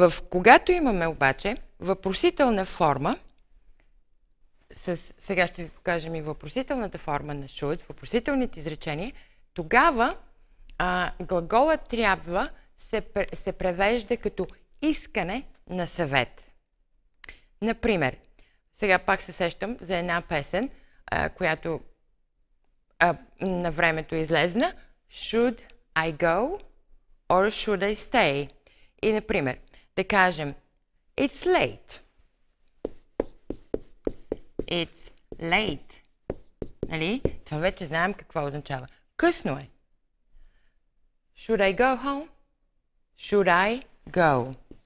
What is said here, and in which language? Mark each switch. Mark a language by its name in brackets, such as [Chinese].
[Bulgarian] Когато имаме обаче въпросителна форма, сега ще ви покажем и въпросителната форма на should, въпросителните изречения, тогава глагола трябва се превежда като искане на съвет. Например, сега пак се сещам за една песен, която на времето излезна. [English] Should I go or should I stay? [Bulgarian] И, например, да кажем [English] It's late. It's late. [Bulgarian] Нали? Това вече знаем какво означава. Късно е. [English] Should I go home? Should I go?